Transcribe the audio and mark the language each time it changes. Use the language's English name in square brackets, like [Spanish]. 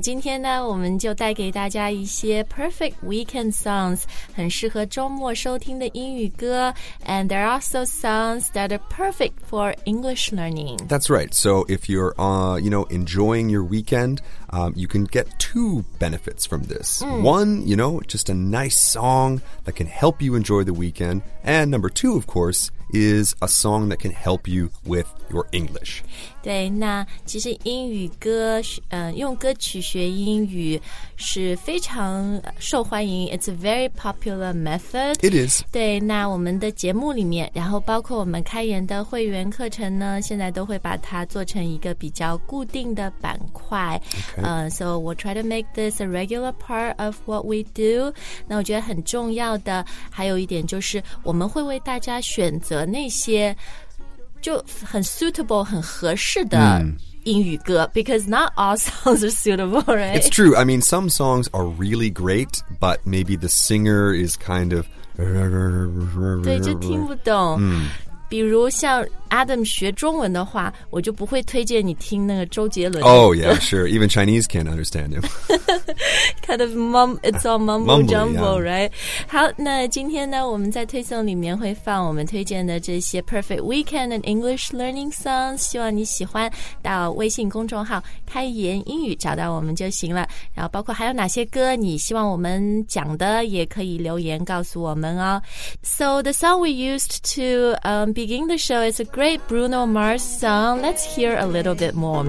[Chinese] 今天呢，我们就带给大家一些 [English] perfect weekend songs, [Chinese] 很适合周末收听的英语歌。 [English] And there are also songs that are perfect for English learning. That's right. So if you're, enjoying your weekend, you can get two benefits from this. One, just a nice song. That can help you enjoy the weekend. And number two, of course, is a song that can help you with your English. [Chinese] 对，那其实英语歌，用歌曲学英语是非常受欢迎。 [English] It's a very popular method. It is. [Chinese] 对，那我们的节目里面，然后包括我们开源的会员课程呢，现在都会把它做成一个比较固定的板块。 [English] Okay. So we'll try to make this a regular part of what we do. [Chinese] 那我觉得很重要的还有一点就是，我们会为大家选择那些就很 suitable 很合适的英语歌、 [English] because not all songs are suitable, right? It's true. I mean, some songs are really great, but maybe the singer is kind of [Chinese] 对，就听不懂。比如像 Adam 学中文的话，我就不会推荐你听那个周杰伦。 [English] Oh yeah, sure. Even Chinese can't understand him. kind of it's all mumble jumble, right? [Chinese] 好，那今天呢，我们在推送里面会放我们推荐的这些 [English] Perfect Weekend and English Learning Songs. [Chinese] 希望你喜欢，到微信公众号“开言英语”找到我们就行了。然后包括还有哪些歌你希望我们讲的，也可以留言告诉我们哦。 [English] So the song we used to begin the show is a great Bruno Mars song. Let's hear a little bit more.